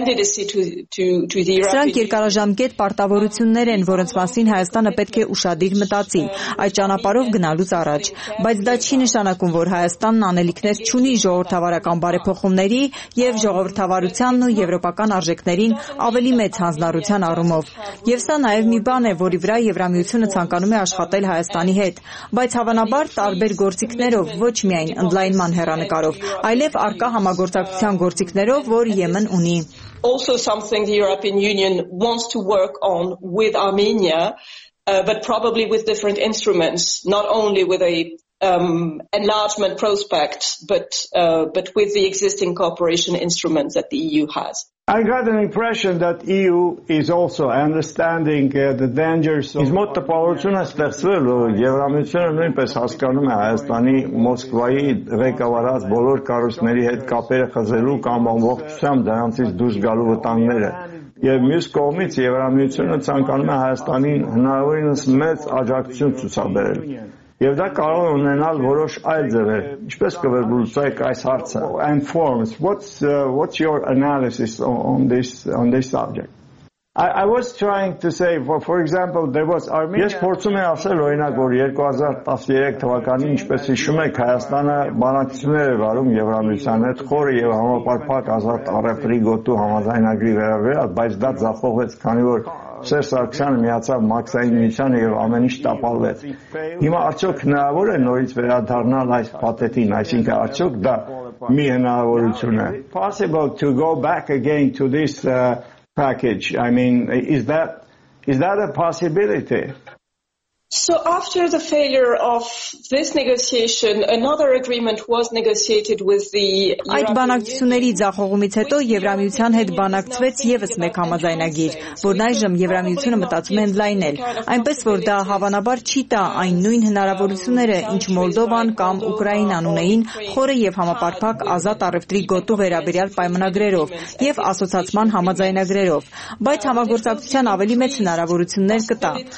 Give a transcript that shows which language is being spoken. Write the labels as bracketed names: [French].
[Armenian] Սրանք երկարաժամկետ պարտավորություններ են, որոնց մասին Հայաստանը պետք է ուշադիր մտածի այդ ճանապարհով գնալուց առաջ, բայց դա չի նշանակում, որ Հայաստանն անելիքներ չունի ժողովրդավարական բարեփոխումների եւ ժողովրդավարությանն ու եվրոպական արժեքներին ավելի մեծ հանձնարարության առումով։ Եվ սա նաեւ մի բան է, որի վրա Եվրամիությունը ցանկանում է աշխատել Հայաստանի հետ, բայց հավանաբար տարբեր գործիքներով, ոչ միայն ընդլայնման հեռանկարով, այլև արկա համագործակցության գործիքներով, որ Եմեն ունի։ [English] Also something the European Union wants to work on with Armenia, but probably with different instruments, not only with a enlargement prospect but with the existing cooperation instruments that the EU has. I got an impression that EU is also understanding the dangers of [Armenian] Իսկ տպավորությունը ստեղծվել որ Եվրամիությունը նույնպես հասկանում է Հայաստանի Մոսկվայի ղեկավարած բոլոր կարուսների հետ կապերը խզելու կամ ամբողջությամբ դրանից դուրս գալու վտանգները եւ մյուս կողմից Եվրամիությունը ցանկանում է Հայաստանի հնարավորինս մեծ աջակցություն ցուցաբերել Եվ դա կարող է ունենալ որոշ այլ ձևեր։ Ինչպես կվերլուծեք այս հարցը? [English] And forms. What's your analysis on this subject? I was trying to say for example there was Armenia. [Armenian] Ես փորձում եմ ասել օրինակ որ 2013 թվականին ինչպես հիշում եք Հայաստանը բանակցություններ էր վարում Եվրամիության հետ խորը եւ համապարփակ ազատ առևտրի գոտու համաձայնագրի վերաբերյալ, բայց դա ձախողվեց, քանի որ Սերժ Սարգսյանը միացավ մաքսային միությանը եւ ամեն ինչ տապալվեց։ Հիմա արդյոք հնարավոր է նորից վերադառնալ այս պատետին, այսինքն արդյոք դա մի հնարավորություն է։ [English] Possible to go back again to this package. I mean, is that a possibility? So after the failure of this negotiation, another agreement was negotiated with the [Armenian] Այդ բանակցությունների ձախողումից հետո Եվրամիության հետ բանակցվեց ևս մեկ համաձայնագիր, որն այժմ Եվրամիությունը մտածում է ընդլայնել, այնպես որ դա հավանաբար չի տա այն նույն հնարավորությունները, ինչ Մոլդովան կամ Ուկրաինան ունեին խորը և համապարփակ ազատ առևտրի գոտու վերաբերյալ պայմանագրերով և ասոցացման համաձայնագրերով, բայց համագործակցության ավելի մեծ հնարավորություններ կտա։